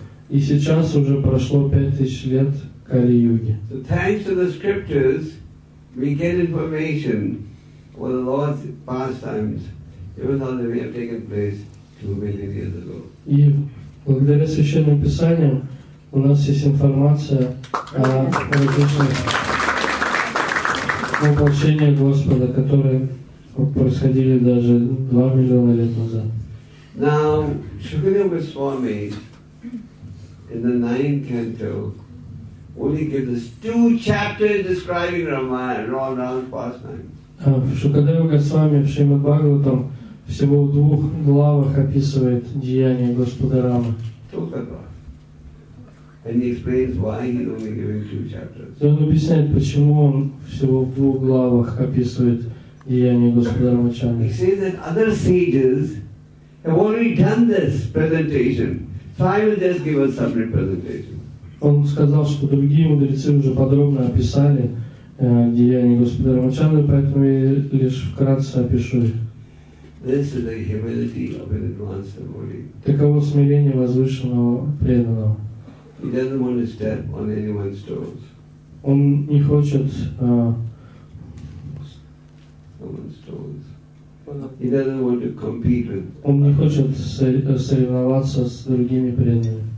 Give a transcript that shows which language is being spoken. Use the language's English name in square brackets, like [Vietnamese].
[Russian] И сейчас уже прошло 5,000 лет Кали Юги. [English] So thanks to the scriptures, we get information about the Lord's pastimes, even though they may have taken place 2 million years ago. [Russian] И благодаря Священным Писаниям у нас есть информация о различных воплощения Господа, которые происходили даже 2 миллиона лет назад. [English] Now, Shukadeva Goswami in the 9th canto only gives us 2 chapters describing Ram's pastimes. [Russian] Shukadeva Goswami в Шримад Бхагаватам всего в 2 главах описывает деяния Господа Рамы. [English] And he explains why he's only giving 2 chapters. [Russian] Он объясняет, почему он всего в 2 главах описывает деяния Господа Рамачандры. [English] He says that other sages have already done this presentation, so I will just give a summary presentation. [Russian] Он сказал, что другие мудрецы уже подробно описали деяния Господа Рамачандры, поэтому я лишь вкратце опишу их. [English] This is the humility of an advanced devotee. [Russian] Таково смирение возвышенного преданного. [English] He doesn't want to step on anyone's toes. [Russian] Он не хочет [English] someone's toes. He doesn't want to compete with. [Russian] Он не хочет соревноваться с другими преданными.